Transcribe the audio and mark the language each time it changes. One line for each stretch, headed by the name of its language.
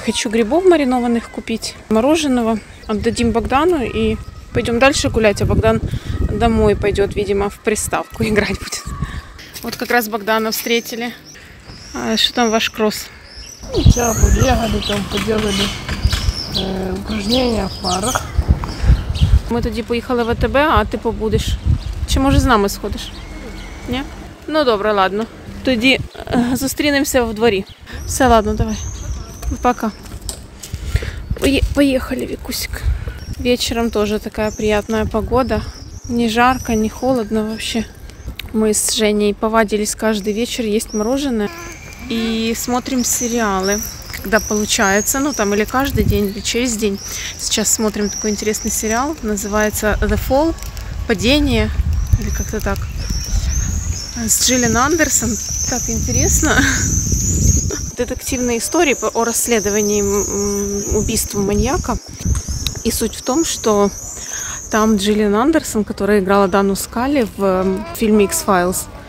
Russian: Хочу грибов маринованных купить, мороженого. Отдадим Богдану и пойдем дальше гулять. А Богдан домой пойдет, видимо, в приставку играть будет. Вот как раз Богдана встретили. А что там ваш кросс? Ну, сейчас побегали, там поделали упражнения в парах.
Ukrainian: Мы тоді поїхали в АТБ, а ти побудешь. Чи може з нами сходиш? Ні? Ну добре, ладно. Тоді зустрінемося в дворі. Все, ладно, давай. Пока. Поїхали, Вікусик. Вечером теж така приємна погода. Ні жарко, ні холодно взагалі. Ми з Женєю повадились кожен вечір їсти мороженое. І дивимося серіали, коли виходить. Ну там, або кожен день, або через день. Зараз дивимося такий цікавий серіал. Називається «The Fall» – «Падіння».
Russian: Или как-то так. С Джиллен Андерсон. Так интересно. Детективные истории о расследовании убийства маньяка. И суть в том, что там Джиллен Андерсон, которая играла Дану Скалли в фильме X-Files.